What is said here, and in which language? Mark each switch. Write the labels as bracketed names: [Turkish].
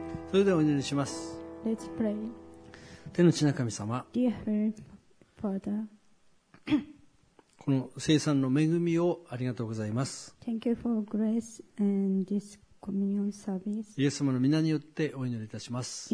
[Japanese] それではお祈りします。 [English] Let's pray. [Japanese] 天の父なる神様、 [English] Dear Father, [Japanese] この聖餐の恵みをありがとうございます。 [English] Thank you for grace and this communion service. [Japanese] イエス様の御名によってお祈りいたします。